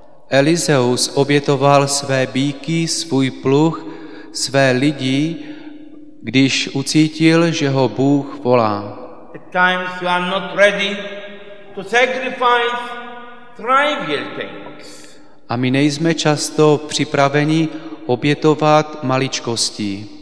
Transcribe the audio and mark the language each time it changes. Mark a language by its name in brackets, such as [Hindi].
[Czech] Elizeus obětoval své bíky, svůj pluh, své lidi, když ucítil, že ho Bůh volá. [English] At times you are not ready to sacrifice trivial things. [Czech] A my nejsme často připraveni obětovat maličkosti.